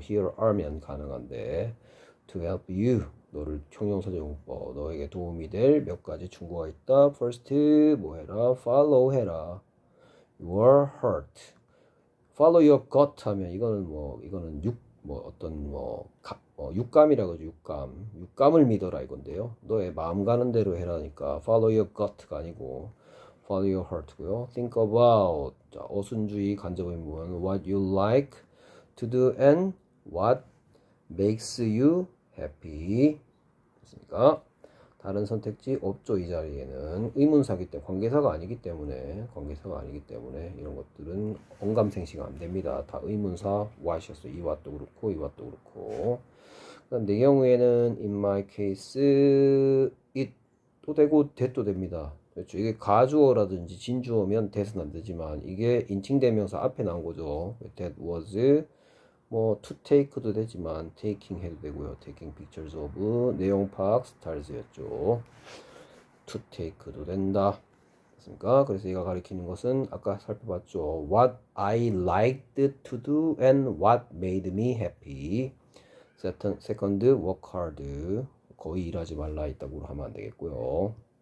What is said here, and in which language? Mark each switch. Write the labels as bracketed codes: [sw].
[ko] Here are면 가능한데 [en] to help you [ko] 너를 형용사 적용법 너에게 도움이 될몇 가지 충고가 있다. [en] First [ko] 뭐 해라? [en] Follow 해라. Your heart. [ko] Follow your gut 하면 이거는 뭐 어떤 뭐 육감이라고 하죠. 육감을 믿어라 이건데요. 너의 마음 가는 대로 해라니까 [en] Follow your gut [ko] 가 아니고 [en] Follow your heart [ko] 고요. [en] Think about [ko] 자, 어순주의 간접의미 뭐 [en] What you like to do and what makes you happy. [ko] 그러니까 다른 선택지 없죠. 이 자리에는 의문사기 때문에 관계사가 아니기 때문에 이런 것들은 언감생식 안 됩니다. 다 의문사 what이었어요. 이 what도 그렇고 이 what도 그렇고. 그다음 내 경우에는 [en] in my case [ko] it 또 되고 that도 됩니다. 그렇죠. 이게 가주어라든지 진주어면 that은 안 되지만 이게 인칭대명사 앞에 나온 거죠. That was 뭐 to take도 되지만 taking 해도 되고요. [en] Taking pictures of [ko] 내용 파악 [en] styles였죠. [ko] To take도 된다. 됐습니까? 그래서 얘가 가리키는 것은 아까 살펴봤죠. [en] What I liked to do and what made me happy. Second, work hard. [ko] 거의 일하지 말라 있다고 하면 안 되겠고요.